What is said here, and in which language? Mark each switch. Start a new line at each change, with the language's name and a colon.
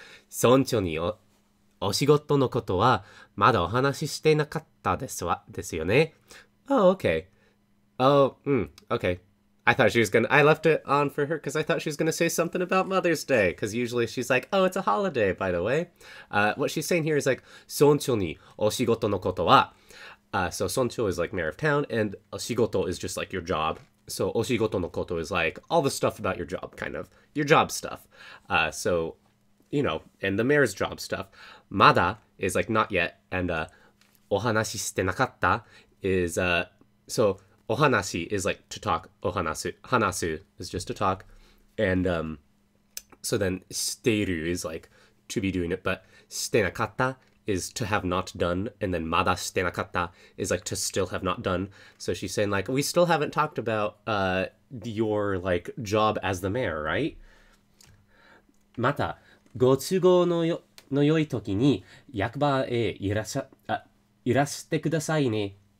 Japanese: 村長にお仕事のことはまだお話ししていなかったですよね。
English: Oh, okay. Oh, okay. I left it on for her because I thought she was gonna say something about Mother's Day. Because usually she's like, "Oh, it's a holiday, by the way." What she's saying here is like,
Japanese: "村長にお仕事のことは."
English: So 村長 is like mayor of town, and "お仕事" is just like your job. So "お仕事のこと" is like all the stuff about your job, kind of your job stuff. And the mayor's job stuff. Mada is like not yet, and
Japanese: "お話ししてなかった"
English: is so. Ohanasi is like to talk. Ohanasu. Hanasu is just to talk. And so then steiru is like to be doing it, but shite nakatta is to have not done, and then
Japanese: mada shite nakatta
English: is like to still have not done. So she's saying like, we still haven't talked about your like job as the mayor, right?
Japanese: また、ご都合のよ、の良い時に役場へいらっしゃ、あ、いらしてくださいね。